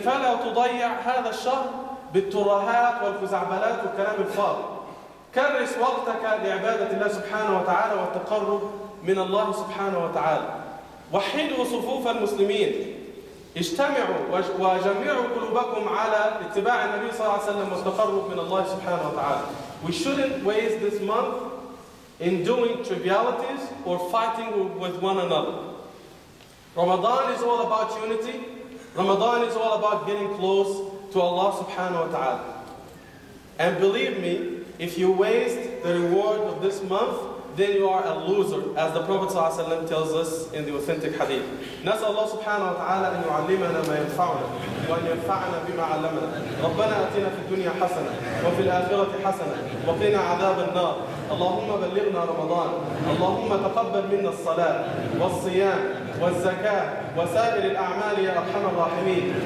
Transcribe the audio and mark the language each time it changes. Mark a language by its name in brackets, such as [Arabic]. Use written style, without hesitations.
[Arabic] فلا تضيع هذا الشهر بالترهات والفزعبلات والكلام الفاضي. كرس وقتك لعبادة الله سبحانه وتعالى والتقرب من الله سبحانه وتعالى. وحدوا صفوف المسلمين. اجتمعوا وجمعوا قلوبكم على اتباع النبي صلى الله عليه وسلم والتقرب من الله سبحانه وتعالى. [English] We shouldn't waste this month in doing trivialities or fighting with one another. Ramadan is all about unity. Ramadan is all about getting close to Allah subhanahu wa. And believe me, if you waste the reward of this month, then you are a loser, as the Prophet ﷺ tells us in the authentic hadith. [Arabic] نسأل الله سبحانه وتعالى أن يعلمنا ما ينفعنا وأن ينفعنا بما علمنا. ربنا أتنا في الدنيا حسنة وفي الآخرة حسنة وقنا عذاب النار. اللهم بلغنا رمضان. اللهم تقبل منا الصلاة والصيام والزكاة وسائر الأعمال يا أرحم الراحمين.